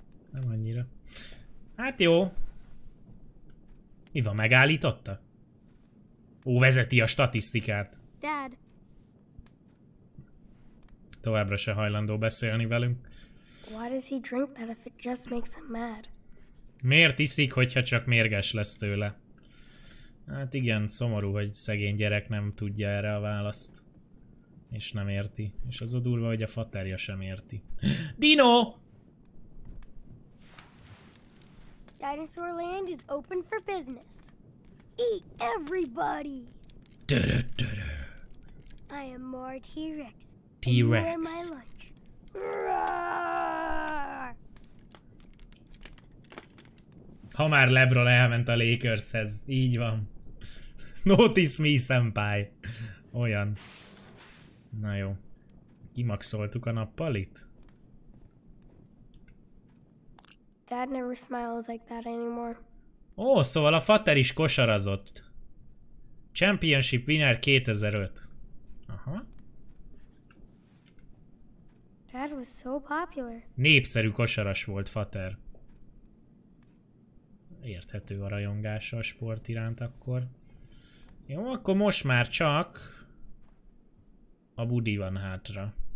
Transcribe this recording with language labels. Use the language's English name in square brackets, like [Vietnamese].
[Hungarian] Nem annyira. Hát jó. Mi van, megállította? Ó, vezeti a statisztikát. [English] Dad. [Hungarian] Továbbra se hajlandó beszélni velünk. [English] Why does he drink that if it just makes him mad? [Hungarian] Miért iszik, hogyha csak mérges lesz tőle? Hát igen, szomorú, hogy szegény gyerek nem tudja erre a választ. És nem érti. És az a durva, hogy a faterja sem érti. [English] Dino! Dinosaur Land is open for business. Eat everybody! Dö-dö-dö-dö. I am more T-Rex. T-Rex. And you are my lunch. Roar! [Hungarian] Ha már LeBron elment a Lakershez, így van. [English] Notice me, senpai. [Hungarian] Olyan. Na jó. Kimaxoltuk a nappalit? [English] Dad never smiles like that anymore. [Hungarian] Ó, szóval a fater is kosarazott. [English] Championship winner 2005. Aha. Dad was so popular. [Hungarian] Népszerű kosaras volt fater. Érthető a rajongása a sport iránt akkor. Jó, akkor most már csak a budi van hátra.